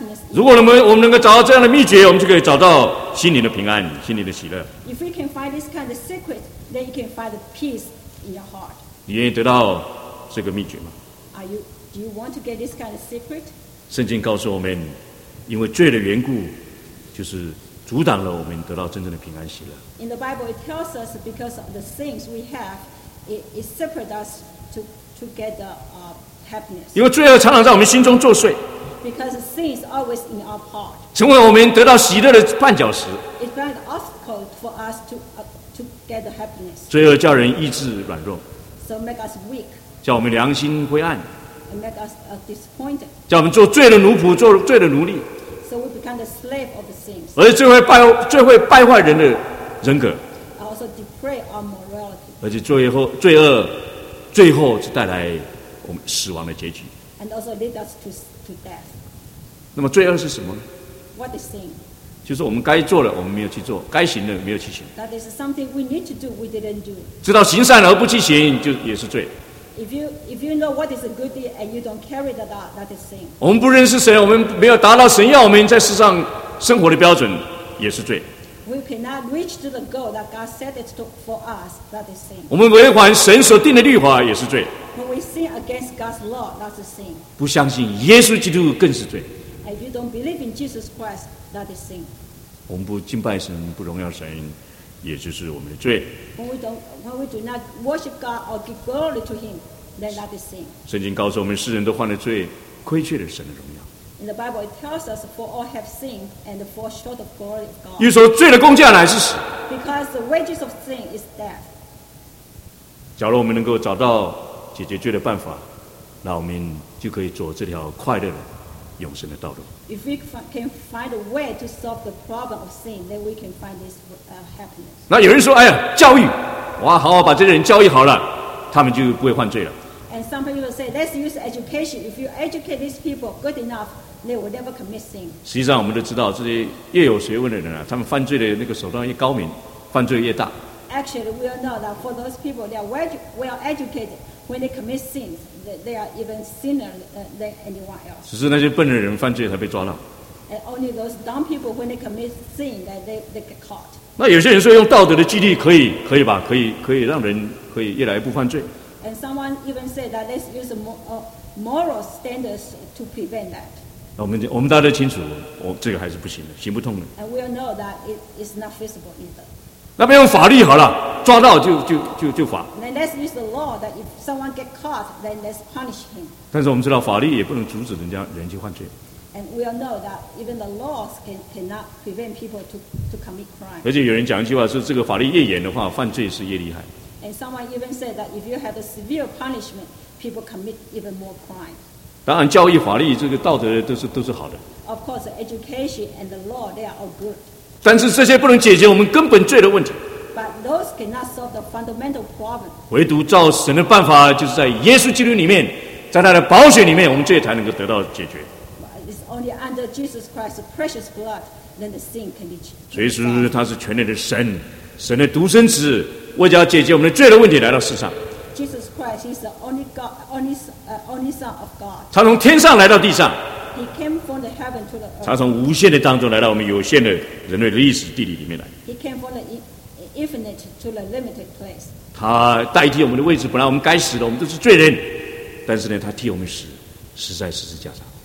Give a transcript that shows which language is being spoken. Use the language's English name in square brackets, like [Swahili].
[Chinese] 如果我们能够找到这样的秘诀，我们就可以找到心灵的平安，心灵的喜乐。 [English] If we can find this kind of secret, then you can find the peace in your heart. [Chinese] 你愿意得到这个秘诀吗 [English] Do you want to get this kind of secret? [Chinese] 圣经告诉我们，因为罪的缘故，就是阻挡了我们得到真正的平安喜乐。 [English] In the Bible, it tells us because of the things we have, it separates us to get the. [Chinese] 因为罪恶常常在我们心中作祟 [English] Because sin is always in our heart. [Chinese] 成为我们得到喜乐的绊脚石 [English] It's an obstacle for us to get the happiness. [Chinese] 罪恶叫人意志软弱 [English] So make us weak. [Chinese] 叫我们良心灰暗 [English] to make us disappointed. [Chinese] 叫我们做罪的奴仆，做罪的奴隶。 [English] So we become the slave of the sins. [Chinese] 而且最会败坏人的人格。 [English] Also deprave our morality. [Chinese] 而且罪恶最后是带来我们死亡的结局。 [English] And also lead us to death. [Chinese] 那么罪恶是什么呢？ [English] What is sin? [Chinese] 就是我们该做的我们没有去做，该行的没有去行。 [English] That is something we need to do, we didn't do. [Chinese] 知道行善而不去行，就也是罪。 [English] If you know what is a good deed and you don't carry that out, that is sin. [Chinese] 我们不认识神，我们没有达到神要我们在世上生活的标准，也是罪。 [English] We cannot reach to the goal that God set it to for us, that is sin. [Chinese] 我们违反神所定的律法也是罪。 [English] When we sin against God's law, that is sin. [Chinese] 不相信耶稣基督更是罪。 [English] If you don't believe in Jesus Christ. That is sin. [Chinese] 我们不敬拜神，不荣耀神，也就是我们的罪。 [English] When we do not worship God or give glory to Him, then that is sin. [Chinese] 圣经告诉我们，世人都犯了罪，亏缺了神的荣耀。 [English] In the Bible, it tells us, "For all have sinned and fall short of glory of God." [Chinese] 又说，罪的工价乃是死。 [English] Because the wages of sin is death. [Chinese] 假如我们能够找到解决罪的办法，那我们就可以走这条快乐的永生的道路。 [English] If we can find a way to solve the problem of sin, then we can find this happiness. [Chinese] 那有人说，哎呀，教育，哇，好好把这些人教育好了，他们就不会犯罪了。 [English] And some people say, let's use education. If you educate these people good enough, they will never commit sin. [Chinese] 实际上，我们都知道，这些越有学问的人啊，他们犯罪的那个手段越高明，犯罪越大。 [English] Actually, we all know that for those people, they are well educated. When they commit sins. They are even sinner than anyone else. [Chinese] 只是那些笨的人犯罪才被抓到。 [English] And only those dumb people when they commit sin that they get caught. [Chinese] 那有些人说用道德的纪律可以吧？可以让人可以越来越不犯罪。 [English] And someone even said that let's use moral standards to prevent that. [Chinese] 我们大家都清楚，这个还是不行的，行不通的。 [English] And we all know that it is not feasible either. [Chinese] 那边用法律好了，抓到就罚。 [English] Then let's use the law that if someone get caught, then let's punish him. [Chinese] 但是我们知道法律也不能阻止人去犯罪。 [English] And we all know that even the laws cannot prevent people to commit crime. [Chinese] 而且有人讲一句话说，这个法律越严的话，犯罪是越厉害。 [English] And someone even said that if you have a severe punishment, people commit even more crime. [Chinese] 当然，教育、法律这个道德都是好的。 [English] Of course, education and the law they are all good. [Chinese] 但是这些不能解决我们根本罪的问题。 [English] But those cannot solve the fundamental problem. [Chinese] 唯独照神的办法，就是在耶稣基督里面，在他的宝血里面，我们罪才能够得到解决。 [English] It's only under Jesus Christ's precious blood that the sin can be changed. [Chinese] 所以说他是全能的神，神的独生子，为了解决我们的罪的问题来到世上。 [English] Jesus Christ is the only Son of God. [Chinese] 他从天上来到地上。 [English] He came from the heaven to the earth. [Chinese] 他从无限的当中来到我们有限的人类的历史地理里面来。 [English] He came from the infinite to the limited place. [Chinese] 他代替我们的位置，本来我们该死的，我们都是罪人。但是呢，他替我们死，死在十字架上。